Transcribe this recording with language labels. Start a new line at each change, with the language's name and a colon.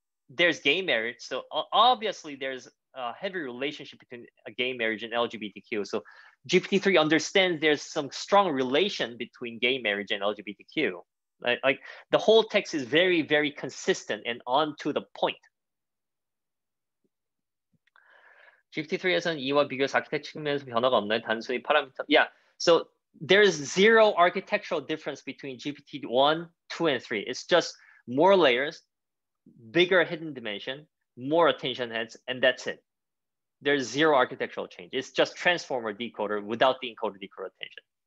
English: There's gay marriage, so obviously there's a heavy relationship between a gay marriage and LGBTQ. So GPT-3 understands there's some strong relation between gay marriage and LGBTQ. Like the whole text is very, very consistent and on to the point.
Korean: GPT-3에서는 이와 비교해서 아키텍처 측면에서 변화가 없나요? 단순히 파라미터. Yeah.
English: So there is zero architectural difference between GPT-1, 2, and 3. It's just more layers, bigger hidden dimension, more attention heads, and that's it. There's zero architectural change. It's just transformer decoder without the encoder decoder attention.